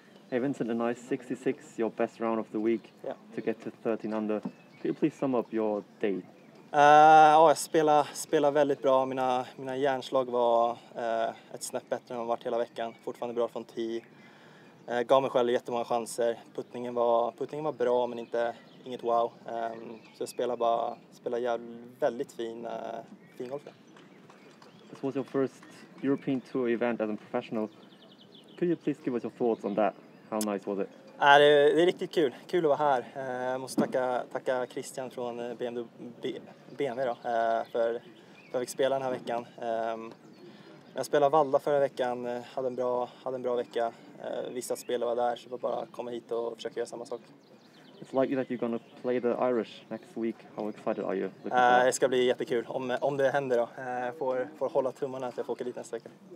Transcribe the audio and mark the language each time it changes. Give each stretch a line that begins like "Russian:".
English: Hey Vincent, a nice 66, your best round of the week to get to 13 under. Could you please sum up your day?
Swedish: Jag spelade väldigt bra. Mina hjärnslag var ett snäpp bättre än vad jag varit hela veckan. Fortfarande bra från 10. Gav mig själv jättemånga chanser. Puttningen var bra men inget wow. Så jag spelade jävligt väldigt fin golf.
English: This was your first European Tour event as a professional. Could you please give us your thoughts on that? How nice was it?
Swedish: Det är riktigt kul. Kul att vara här. Jag måste tacka Christian från BMW då, för att vi fick spela den här veckan. Jag spelade Valla förra veckan. Hade en bra vecka. Vissa spelare var där, så jag får bara komma hit och försöka göra samma sak.
English: It's likely that you're gonna play the Irish next week. How excited are you?
Swedish: Det ska bli jättekul. Om det händer då. Jag får hålla tummarna att jag får åka dit nästa vecka.